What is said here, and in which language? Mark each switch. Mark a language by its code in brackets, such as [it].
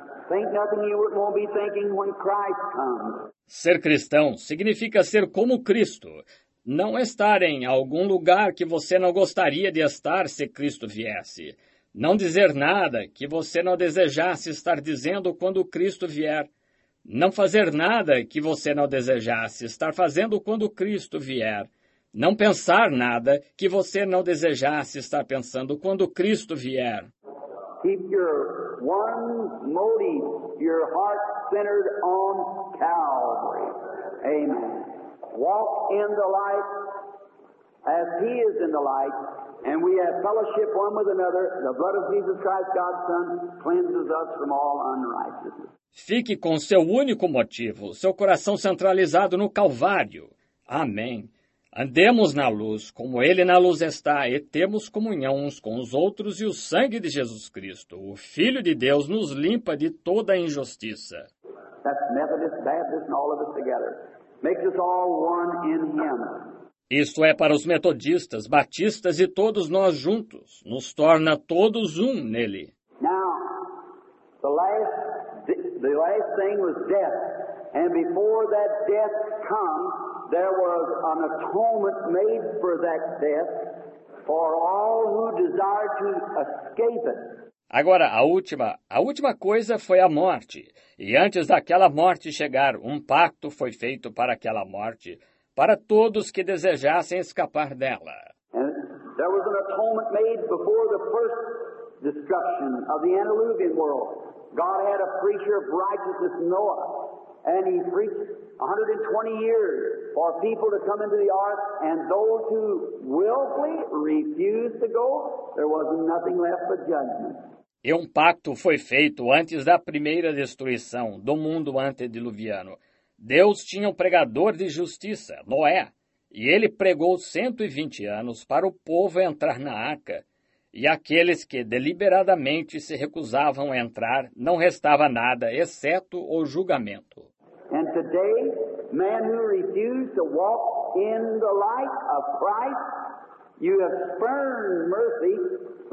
[en] Think nothing you wouldn't want to be thinking when Christ comes. [pt] Ser cristão significa ser como Cristo. Não estar em algum lugar que você não gostaria de estar se Cristo viesse. Não dizer nada que você não desejasse estar dizendo quando Cristo vier. Não fazer nada que você não desejasse estar fazendo quando Cristo vier. Não pensar nada que você não desejasse estar pensando quando Cristo vier. [en] Keep your one motive, your heart centered on Calvary. Amen. Walk in the light as he is in the light, and we have fellowship one with another. The blood of Jesus Christ, God's Son, cleanses us from all unrighteousness. [pt] Fique com seu único motivo, seu coração centralizado no Calvário. Amém. Andemos na luz, como ele na luz está, e temos comunhão uns com os outros, e o sangue de Jesus Cristo, o Filho de Deus, nos limpa de toda a injustiça. [en] That's Methodist, Baptist, and all of us together. Makes us all one in him. [pt] Isto é para os metodistas, batistas e todos nós juntos. Nos torna todos um nele. [en] Now, the last thing was death. And before that death come, there was an atonement made for that death for all who desired to escape it. [pt] Agora, a última coisa foi a morte. E antes daquela morte chegar, um pacto foi feito para aquela morte, para todos que desejassem escapar dela. [en] And there was an atonement made before the first destruction of the Antediluvian world. God had a preacher of righteousness, Noah, and he preached 120 years for people to come into the ark, and those who willfully refused to go, there was nothing left but judgment. [pt] E um pacto foi feito antes da primeira destruição do mundo antediluviano. Deus tinha um pregador de justiça, Noé, e ele pregou 120 anos para o povo entrar na arca. E aqueles que deliberadamente se recusavam a entrar, não restava nada, exceto o julgamento. E hoje, o homem que [en] refuse to walk in the light of Christ, you have spurned mercy.